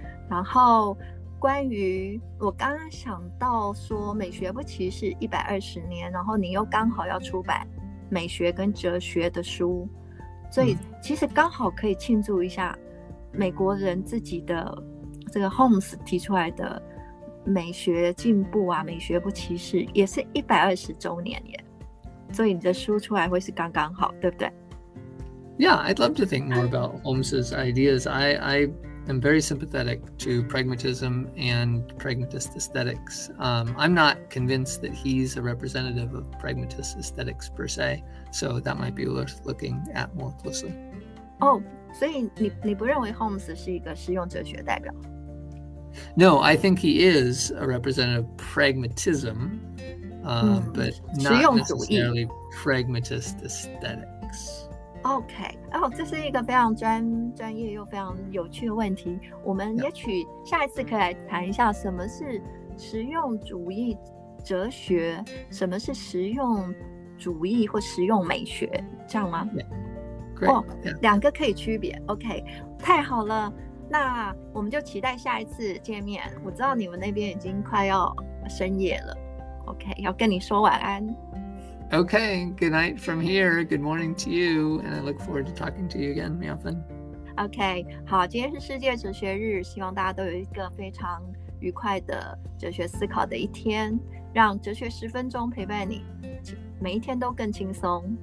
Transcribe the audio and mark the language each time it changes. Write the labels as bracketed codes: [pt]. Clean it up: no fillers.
[zh] 然后关于我刚刚想到说，美学不歧视120年，然后你又刚好要出版美学跟哲学的书，所以其实刚好可以庆祝一下美国人自己的这个 Holmes 提出来的美学进步啊，美学不歧视也是120周年耶，所以你的书出来会是刚刚好，对不对？ [en] Yeah, I'd love to think more about Holmes's ideas. I'm very sympathetic to pragmatism and pragmatist aesthetics. I'm not convinced that he's a representative of pragmatist aesthetics per se, so that might be worth looking at more closely. Oh, so you don't think Holmes is a [zh] 实用哲学代表? [en] No, I think he is a representative of pragmatism, but not necessarily pragmatist aesthetics. [zh] OK， 哦，这是一个非常专业又非常有趣的问题。我们也许下一次可以来谈一下什么是实用主义哲学，什么是实用主义或实用美学，这样吗？ [en] Yeah. Great. [zh] 两个可以区别。 OK， 太好了，那我们就期待下一次见面。我知道你们那边已经快要深夜了。 OK， 要跟你说晚安。 [en] Okay, good night from here. Good morning to you, and I look forward to talking to you again, Miaofen. [zh] Okay, 好，今天是世界哲学日，希望大家都有一个非常愉快的哲学思考的一天，让哲学十分钟陪伴你，每一天都更轻松。